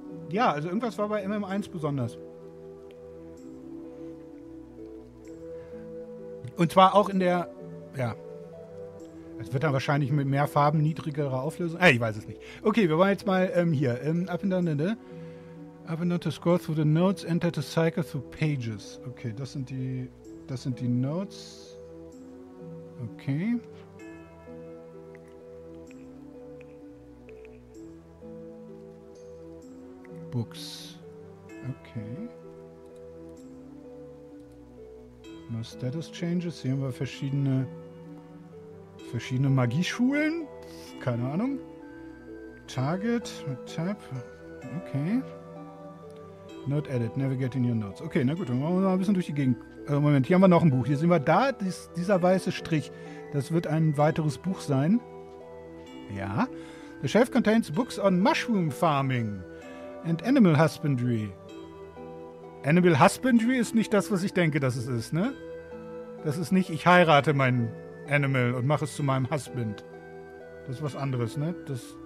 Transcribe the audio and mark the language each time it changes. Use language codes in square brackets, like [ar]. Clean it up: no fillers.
[de] Ja, also irgendwas war bei MM1 besonders. Und zwar auch in der, ja, es wird dann wahrscheinlich mit mehr Farben niedrigere Auflösung. Ich weiß es nicht. Okay, wir wollen jetzt mal hier. [en] Up and down, [de] ne? [en] Up and down to scroll through the notes, enter to cycle through pages. [de] Okay, das sind die Notes. Okay. [en] Books. Okay. No status changes. [de] Hier haben wir verschiedene Magieschulen. Keine Ahnung. [en] Target. Tab. Okay. Note added. Navigate in your notes. [de] Okay, na gut. Dann machen wir mal ein bisschen durch die Gegend. Moment, hier haben wir noch ein Buch. Hier sehen wir da dieser weiße Strich. Das wird ein weiteres Buch sein. Ja. [en] The shelf contains books on mushroom farming and animal husbandry. [de] Animal Husbandry ist nicht das, was ich denke, dass es ist, ne? Das ist nicht, ich heirate mein Animal und mache es zu meinem Husband. Das ist was anderes, ne? Das.